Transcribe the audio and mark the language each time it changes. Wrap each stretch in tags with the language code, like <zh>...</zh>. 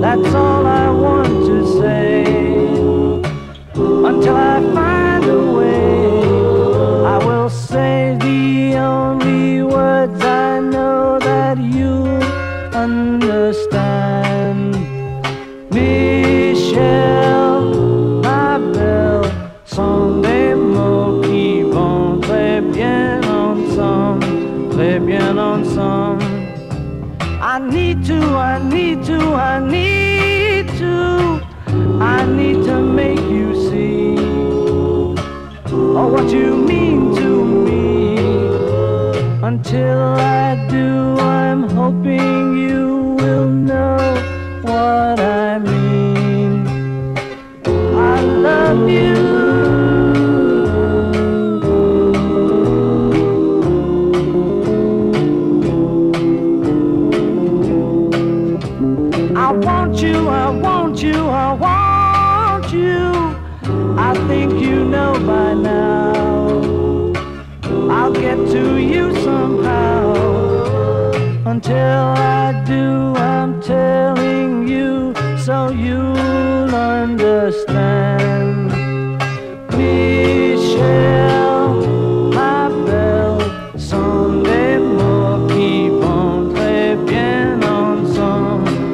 <en>That's all I want to say. Until I find a way, I will say the only words I know that you understand.</en> <fr>Michelle, ma belle, son des mots qui vont très bien ensemble.</fr> <en>I need to, I need to, I need to, I need to make you see all what you mean to me. Until I do, I'm hoping you will know what I mean. I love you. I want you, I want you, I want you. I think you know by now. I'll get to you somehow. Until I do, I'm telling you so you'll understand.</en> <fr>Michelle, ma belle, son des mots qui vont très bien ensemble.</fr>